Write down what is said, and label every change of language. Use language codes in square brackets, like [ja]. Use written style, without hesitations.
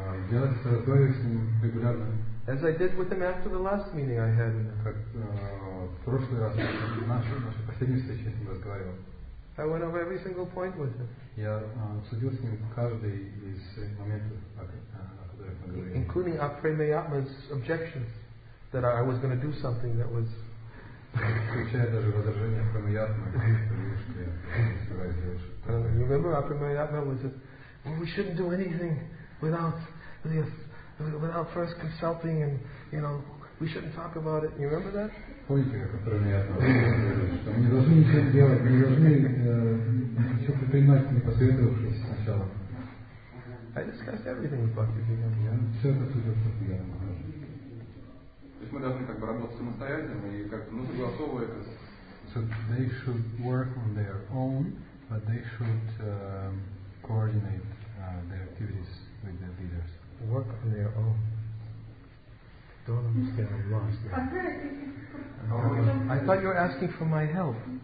[ru] Я разговариваю с ним регулярно. [en] As I did with him after the last meeting I had. [ru] Как в прошлый раз нашу последнюю встречу с ним разговаривал. [en] I went over every single point with him. [ru] Я обсудил с ним каждый из моментов, о которых мы говорили. [en] Including Апремеятма's objections that I was going to do something that was. [ru] Включая даже возражение Апремеятмы, что я собираюсь делать. [en] You remember Апремеятма was just, well, we shouldn't do anything without the. Without first consulting, and you know, we shouldn't talk about it. You remember that? [ru] Помните, как Апремеятма сказал, что мы должны ничего делать, мы должны все предпринимать, не посоветовавшись сначала. [en] I discussed everything with Бхактивьяна. [ru] Все это с Бхактивьяном. То есть мы должны как бы работать самостоятельно и как бы согласовывая это. [en] So they should work on their own, but they should coordinate their activities with their leaders. Work on their own. Don't understand. I'm lost. I thought you were asking for my help.